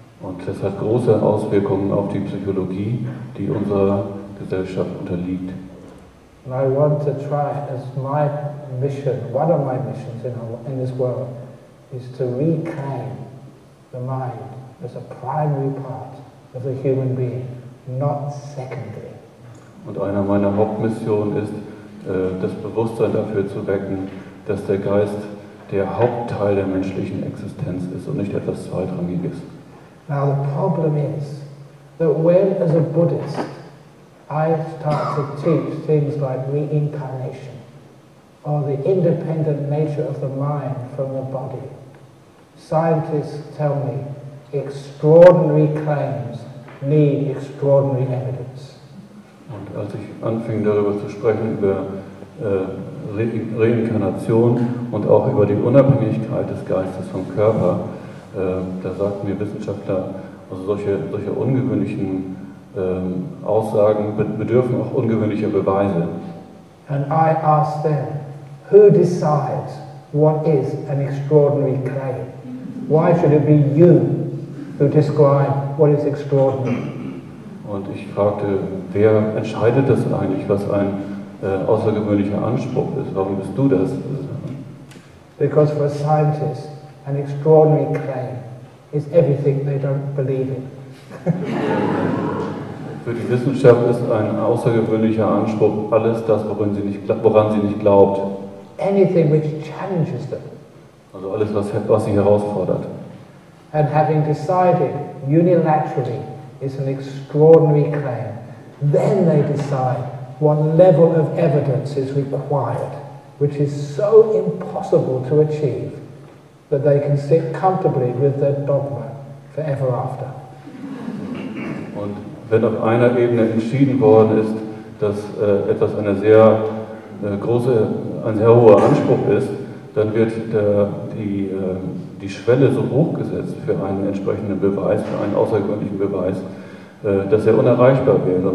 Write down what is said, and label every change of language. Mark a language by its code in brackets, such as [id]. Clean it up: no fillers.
[de] Und das hat große Auswirkungen auf die Psychologie, die unserer Gesellschaft unterliegt. [en] And I want to try as my mission, one of my missions in this world, is to reclaim the mind as a primary part of the human being, not secondary. [de] Und einer meiner Hauptmissionen ist, das Bewusstsein dafür zu wecken, dass der Geist der Hauptteil der menschlichen Existenz ist und nicht etwas Zweitrangiges. [en] Now the problem is that when, as a Buddhist, I start to teach things like reincarnation or the independent nature of the mind from the body, scientists tell me extraordinary claims need extraordinary evidence. [de] Und als ich anfing darüber zu sprechen, über Reinkarnation und auch über die Unabhängigkeit des Geistes vom Körper, da sagten mir Wissenschaftler, also solche ungewöhnlichen Aussagen bedürfen auch ungewöhnlicher Beweise. [en] And I asked them, who decides what is an extraordinary claim? Why should it be you who describe what is extraordinary? [de] Und ich fragte, wer entscheidet das eigentlich, was ein außergewöhnlicher Anspruch ist? Warum bist du das? [en] Because for a scientist, an extraordinary claim is everything they don't believe in. [de] Für die Wissenschaft ist ein außergewöhnlicher Anspruch alles das, woran sie nicht glaubt. [en] Anything which challenges them. [de] Also alles, was sie herausfordert. [en] And having decided unilaterally is an extraordinary claim. Then they decide what level of evidence is required, which is so impossible to achieve that they can sit comfortably with their dogma forever after. [de] Und wenn auf einer Ebene entschieden worden ist, dass etwas ein sehr hoher Anspruch ist, dann wird die Schwelle so hoch gesetzt für einen entsprechenden Beweis, für einen außergewöhnlichen Beweis, dass er unerreichbar wäre.